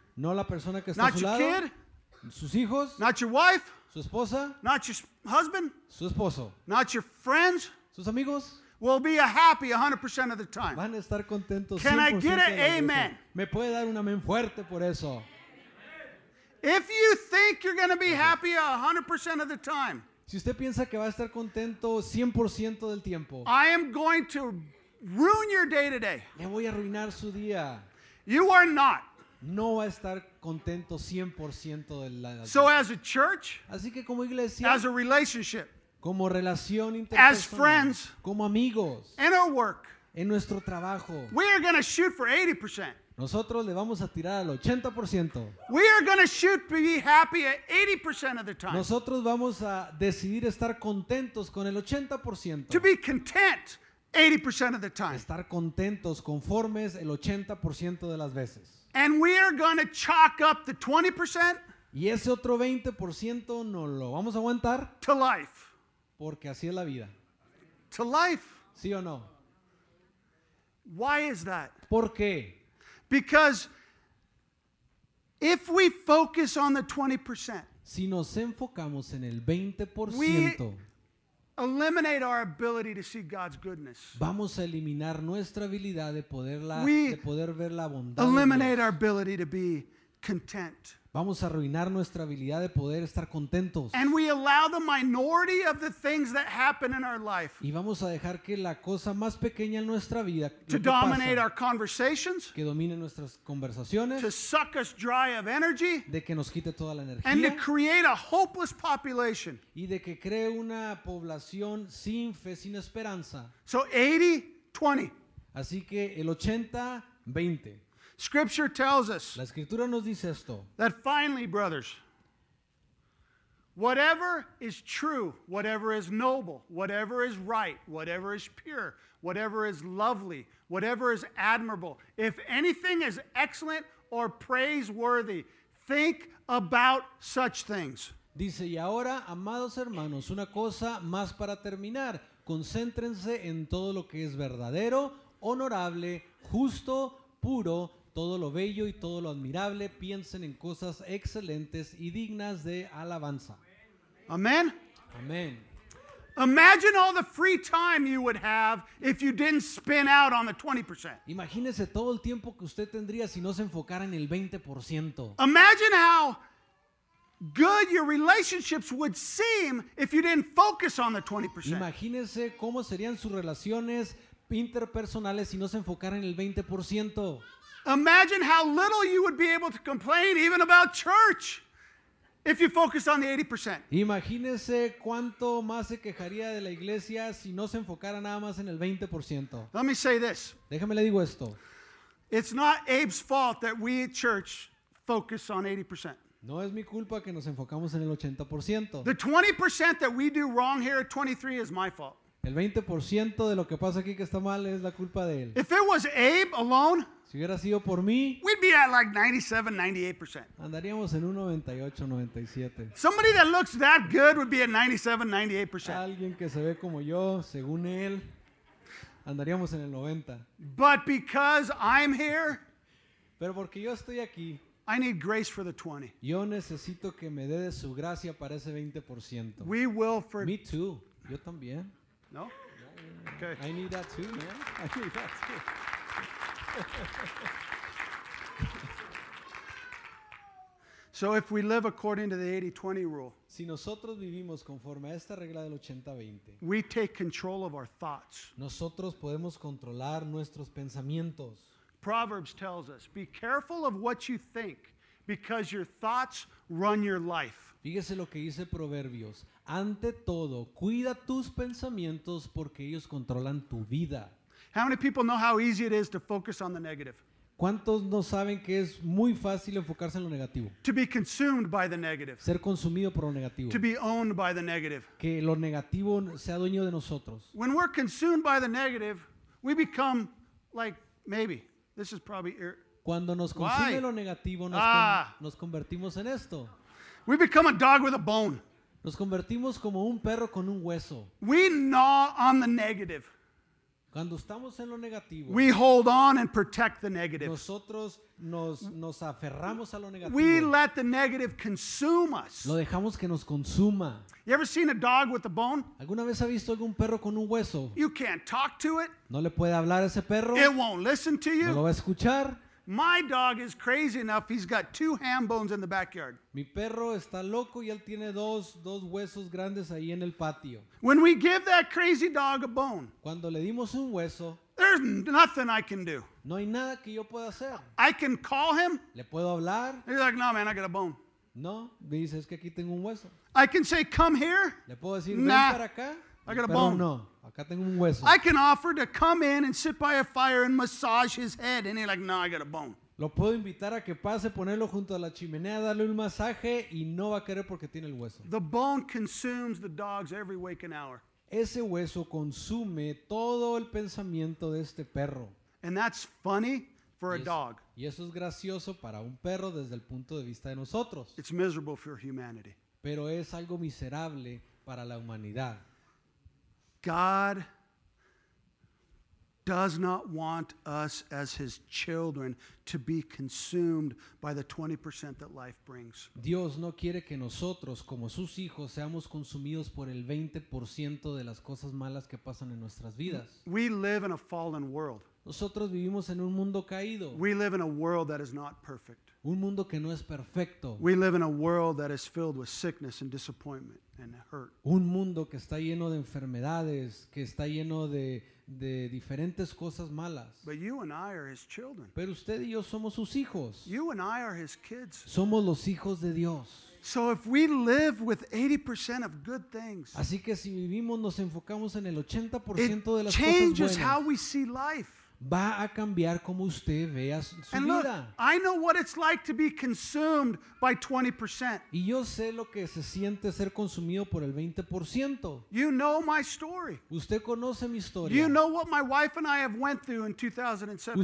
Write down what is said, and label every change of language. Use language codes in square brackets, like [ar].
[es] no la persona que está [en] not [es] a su lado, [en] your kid, [es] sus hijos, [en] not your wife, [es] su esposa, [en] not your husband, [es] su esposo, [en] not your friends, [es] sus amigos, [en] will be a happy 100% of the time. [es] Van a estar contentos. [en] Can I get an amen? [es] Me puede dar un amén fuerte por eso. [en] If you think you're going to be happy 100% of the time, [es] si usted piensa que va a estar contento 100% del tiempo, [en] I am going to ruin your day today. [es] Le voy a arruinar su día. [en] You are not. [es] No va a estar contento 100% del día. [en] So as a church, [es] así que como iglesia, [en] as a relationship, [es] como relación [en] interpersonal, as friends, [es] como amigos, [en] in our work, [es] en nuestro trabajo, [en] we are going to shoot for 80%. [es] Nosotros le vamos a tirar al 80%. [en] We are going to shoot to be happy at 80% of the time. [es] Nosotros vamos a decidir estar contentos con el 80%. [en] To be content 80% of the time. [es] Estar contentos, conformes el 80% de las veces. [en] And we are going to chalk up the 20%. [es] Y ese otro 20% no lo vamos a aguantar. [en] To life. [es] Porque así es la vida. [en] To life. [es] ¿Sí o no? [en] Why is that? [es] ¿Por qué? [en] Because if we focus on the 20%, [es] si nos enfocamos en el 20%, [en] we eliminate our ability to see God's goodness. [es] Vamos a eliminar nuestra habilidad de poder la, [en] we [es] de poder ver la bondad de Dios. [en] Eliminate our ability to be content. [es] Vamos a arruinar nuestra habilidad de poder estar contentos. [en] And we allow the minority of the things that happen in our life. [es] Y vamos a dejar que la cosa más pequeña en nuestra vida [en] to dominate our conversations. [es] Que domine nuestras conversaciones. [en] To suck us dry of energy. [es] De que nos quite toda la energía. [en] And to create a hopeless population. [es] Y de que cree una población sin fe, sin esperanza. [en] So 80-20. [es] Así que el 80-20. [en] Scripture tells us, [es] la escritura nos dice esto, [en] that finally, brothers, whatever is true, whatever is noble, whatever is right, whatever is pure, whatever is lovely, whatever is admirable, if anything is excellent or praiseworthy, think about such things. [es] Dice, y ahora, amados hermanos, una cosa más para terminar. Concéntrense en todo lo que es verdadero, honorable, justo, puro, todo lo bello y todo lo admirable, piensen en cosas excelentes y dignas de alabanza. [en] Amen. Amen. Imagine all the free time you would have if you didn't spin out on the 20%. [es] Imagínese todo el tiempo que usted tendría si no se enfocara en el 20%. [en] Imagine how good your relationships would seem if you didn't focus on the 20%. [es] Imagínese cómo serían sus relaciones interpersonales si no se enfocara en el 20%. [en] Imagine how little you would be able to complain even about church if you focused on the 80%. [es] Imagínese cuánto más se quejaría de la iglesia si no se enfocara nada más en el 20%. [en] Let me say this. [es] Déjame le digo esto. [en] It's not Abe's fault that we at church focus on 80%. [es] No es mi culpa que nos enfocamos en el 80%. [en] The 20% that we do wrong here at 23 is my fault. [es] El 20% de lo que pasa aquí que está mal es la culpa de él. [en] If it was Abe alone, [es] si hubiera sido por mí, [en] we'd be at like 97-98%. [es] Andaríamos en un 98-97%. [en] Somebody that looks that good would be at 97-98%. [es] Alguien que se ve como yo, según él, andaríamos en el 90. [en] But because I'm here, [es] pero porque yo estoy aquí, [en] I need grace for the 20. [es] Yo necesito que me dé de su gracia para ese 20%. [en] We will for me too. [es] Yo también. No? [en] Yeah, yeah, yeah. Okay. I need that too, man. I need that too. So if we live according to the 80-20 rule, [es] si nosotros vivimos conforme a esta regla del 80-20, [en] we take control of our thoughts. [es] Nosotros podemos controlar nuestros pensamientos. [en] Proverbs tells us, be careful of what you think, because your thoughts run your life. [es] Fíjese lo que dice Proverbios. Ante todo, cuida tus pensamientos porque ellos controlan tu vida. [en] How many people know how easy it is to focus on the negative? [es] ¿Cuántos no saben que es muy fácil enfocarse en lo negativo? [en] To be consumed by the negative. [es] Ser consumido por lo negativo. [en] To be owned by the negative. [es] Que lo negativo sea dueño de nosotros. [en] When we're consumed by the negative, we become like maybe. This is probably your... [es] Cuando nos consume [en] Why? [es] Lo negativo, nos convertimos en esto. [en] We become a dog with a bone. [es] Nos convertimos como un perro con un hueso. [en] We gnaw on the negative. [es] Cuando estamos en lo negativo, [en] we hold on and protect the negative. [es] Nosotros nos aferramos a lo negativo. [en] We let the negative consume us. [es] Lo dejamos que nos consuma. [en] You ever seen a dog with a bone? [es] ¿Alguna vez ha visto algún perro con un hueso? [en] You can't talk to it. [es] No le puede hablar a ese perro. [en] It won't listen to you. [es] No lo va a escuchar. [en] My dog is crazy enough. He's got two ham bones in the backyard. [es] Mi perro está loco y él tiene dos huesos grandes ahí en el patio. [en] When we give that crazy dog a bone, [es] cuando le dimos un hueso, [en] there's nothing I can do. [es] No hay nada que yo pueda hacer. [en] I can call him. [es] Le puedo hablar. [en] He's like, no, man, I got a bone. [es] No, me dice, es que aquí tengo un hueso. [en] I can say, come here. [es] Le puedo decir, ven para acá. [en] I got a bone. [es] No, acá tengo un hueso. [en] I can offer to come in and sit by a fire and massage his head, and he's like, no, I got a bone. [es] Lo puedo invitar a que pase, ponerlo junto a la chimenea, darle un masaje, y no va a querer porque tiene el hueso. [en] The bone consumes the dogs every waking hour. [es] Ese hueso consume todo el pensamiento de este perro. [en] And that's funny for a dog. [es] Y eso es gracioso para un perro desde el punto de vista de nosotros. [en] It's miserable for humanity. [es] Pero es algo miserable para la humanidad. [en] God does not want us as his children to be consumed by the 20% that life brings. [es] Dios no quiere que nosotros como sus hijos seamos consumidos por el 20% de las cosas malas que pasan en nuestras vidas. [en] We live in a fallen world. [es] Nosotros vivimos en un mundo caído. [en] We live in a world that is not perfect. [es] Un mundo que no es perfecto. [en] We live in a world that is filled with sickness and disappointment and hurt. [es] Un mundo que está lleno de enfermedades, que está lleno de diferentes cosas malas. [en] But you and I are his children. [es] Pero usted y yo somos sus hijos. [en] You and I are his kids. [es] Somos los hijos de Dios. [en] So if we live with 80% of good things, [es] así que si vivimos, nos enfocamos en el 80% de las cosas buenas. [en] It changes how we see life. [es] Va a cambiar como usted vea su vida. [en] And look, I know what it's like to be consumed by 20%. [es] Y yo sé lo que se siente ser consumido por el 20%. [en] You know my story. [es] Usted conoce mi historia. [en] You know what my wife and I have went through in 2017.